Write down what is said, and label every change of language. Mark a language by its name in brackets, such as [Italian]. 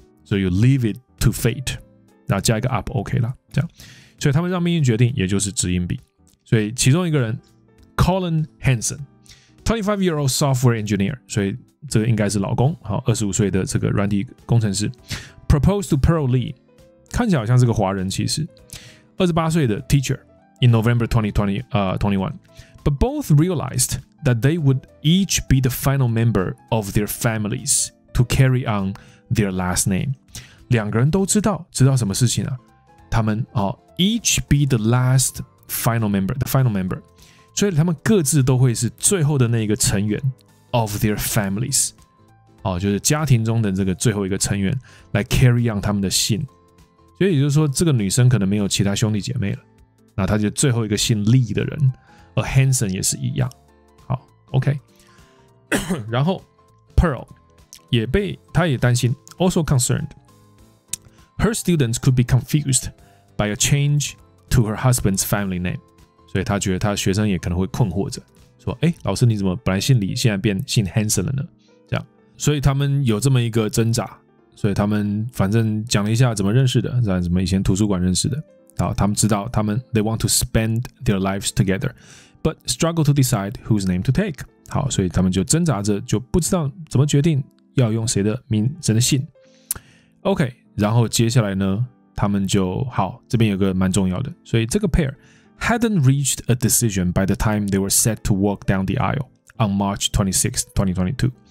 [English] So you leave it to fate. [Chinese] 然后加一个 [English] up, OK [Chinese] 啦，这样。所以他们让命运决定，也就是掷硬币。所以其中一个人 [English] ，Colin Hansen, 25-year-old software engineer. [Chinese] 所以这个应该是老公，好，25岁的这个软体工程师 ， [English] proposed to Pearl Lee. [Chinese] 看起来好像是个华人，其实。 28岁的 [English] teacher in November 2021, but both realized that they would each be the final member of their families to carry on their last name. [Chinese] 两个人都知道什么事情啊？他们 [English] each be the last final member, the final member. [Chinese] 所以他们各自都会是最后的那一个成员 [English] of their families. [Chinese] 就是家庭中的这个最后一个成员来 [English] carry on [Chinese] 他们的姓。所以也就是说，这个女生可能没有其他兄弟姐妹了，那她就最后一个姓 Lee 的人，而 Hansen 也是一样。好 ，OK 。然后 Pearl 也被她也担心 [English] ，also concerned her students could be confused by a change to her husband's family name。 [Chinese] 所以她觉得她学生也可能会困惑着，说：“哎，老师你怎么本来姓李，现在变姓 Hansen 了呢？” 这样，所以他们有这么一个挣扎。所以他们反正讲了一下怎么认识的，在什么以前图书馆认识的。好，他们知道他们 [English] they want to spend their lives together, but struggle to decide whose name to take. [Chinese] 好，所以他们就挣扎着，就不知道怎么决定要用谁的名谁的姓。 OK， 然后接下来呢，他们就好，这边有个蛮重要的，所以这个 [English] pair hadn't reached a decision by the time they were set to walk down the aisle on March 26th, 2022.